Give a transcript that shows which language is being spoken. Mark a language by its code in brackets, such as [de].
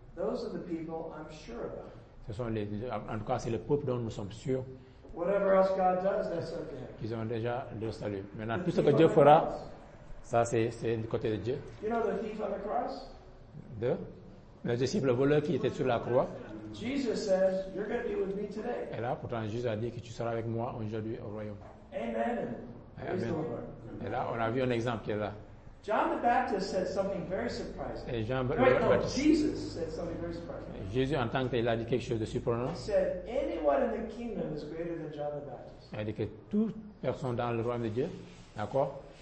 [en] those are the people I'm sure about. [fr] Ce sont en tout cas, c'est le peuple dont nous sommes sûrs. [en] Whatever else God does, that's okay. [fr] Qu'ils ont déjà leur salut. Maintenant, tout ce que Dieu fera, ça c'est du côté de Dieu. [en] You know the thief on the cross? [fr] Le disciple voleur qui était sur la croix. [en] Jesus says, you're going to be with me today. [fr] Et là, pourtant, Jésus a dit que tu seras avec moi aujourd'hui au royaume. [en] Amen. Amen. [fr] Et là, on a vu un exemple qui est là. [en] John the Baptist said something very surprising. [fr] Et Jean [en] Jesus said something very surprising. [fr] Jésus en tant qu'il a dit quelque chose de surprenant. [en] He said anyone in the kingdom is greater than John the Baptist. [fr] Il a dit que toute personne dans le royaume de Dieu, d'accord?